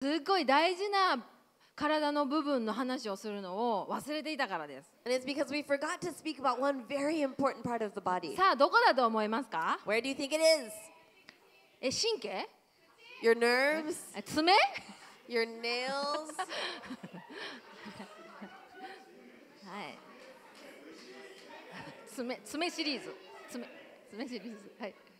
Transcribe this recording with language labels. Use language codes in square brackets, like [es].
[ja] すごい大事な体の部分の話をするのを忘れていたからです。 [en] And it's because we forgot to speak about one very important part of the body. [ja] さあ、どこだと思いますか? [en] Where do you think it is? [ja] 神経? [en] Your nerves? [ja] 爪? [en] Your nails? [ja] はい。爪シリーズ。爪シリーズ。はい。